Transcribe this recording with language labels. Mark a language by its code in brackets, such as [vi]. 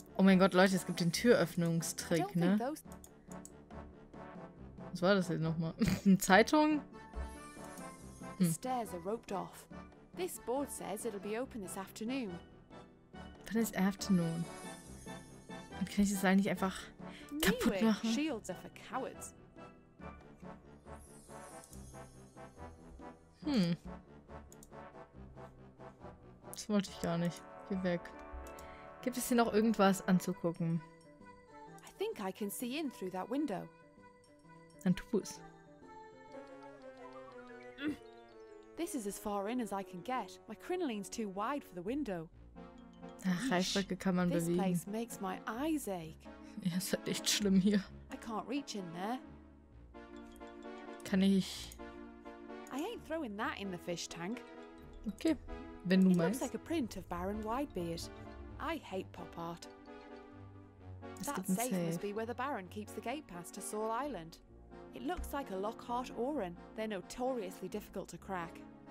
[de] Oh mein Gott, Leute, es gibt den Türöffnungstrick, ne? Was war das jetzt nochmal? Eine Zeitung? [en] Stairs are roped off. This board says it'll be open this afternoon. [de] Dann ist afternoon. Dann kann ich das Seil nicht einfach kaputt machen? [en] Shields are for cowards. [de] Das wollte ich gar nicht. Geh weg. Gibt es hier noch irgendwas anzugucken? [en] I think I can see in through that window. [de] Dann tu es. [en] This is as far in as I can get. My crinoline's too wide for the window. [de] Ach, Reisröcke kann man bewegen. [en] This place makes my eyes ache. [de] Ja, es ist echt schlimm hier. [en] I can't reach in there. [de] Kann ich... [en] I ain't throwing that in the fish tank. [de] Okay, wenn du meinst. [en] It looks like a print of Baron Whitebeard. I hate pop art. That safe must be where the Baron keeps the gate pass to Saul Island. It looks like a Lockhart Oran. They're notoriously difficult to crack.